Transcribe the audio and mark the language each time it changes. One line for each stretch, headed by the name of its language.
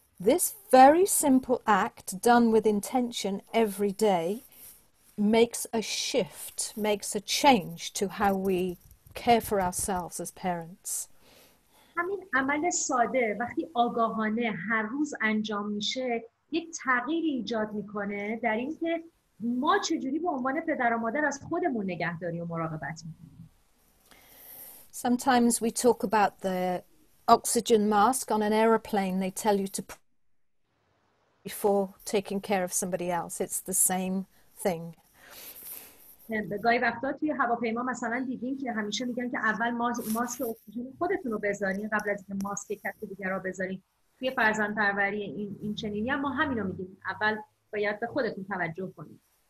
English: This very simple act done with intention every day makes a shift, makes a change to how we care for ourselves as parents.
Persian: همین عمل ساده وقتی آگاهانه هر روز انجام میشه یک تغییر ایجاد میکنه در اینکه ما چجوری به عنوان پدر و مادر از خودمون نگهداری و مراقبت میکنیم.
English: Sometimes we talk about the oxygen mask on an aeroplane. They tell you to put before taking care of somebody else. It's the same thing.
Persian: گاهی وقتا توی هواپیما مثلا دیدیم که همیشه میگن که اول ماسک اکسیژن خودتون رو بذارین قبل از اینکه ماسک کسی دیگر رو بذارین. توی فرزند پروری این چنینی هم ما همین رو میگیم. اول باید به خودتون توجه کنید.